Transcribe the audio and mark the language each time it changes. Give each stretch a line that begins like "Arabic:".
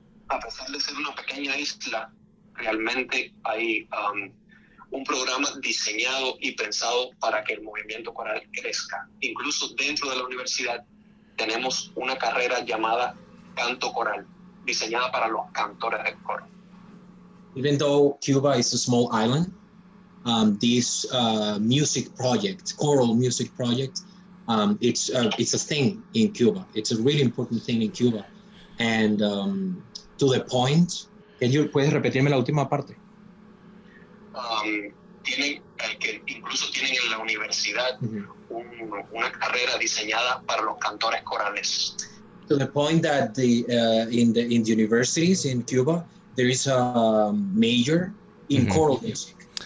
Spanish: A pesar de ser una pequeña isla, realmente hay un programa diseñado y pensado para que el movimiento coral crezca. Incluso dentro de la universidad tenemos una carrera llamada canto coral, diseñada para los cantores de coro.
English: Even though Cuba is a small island, this music project, choral music project, it's a thing in Cuba. It's a really important thing in Cuba. And to the point, can you
Spanish: puedes repetirme la última parte? Tienen que incluso tienen en la universidad una carrera diseñada para los cantores corales.
English: To the point that the in the universities in Cuba there is a major in choral music.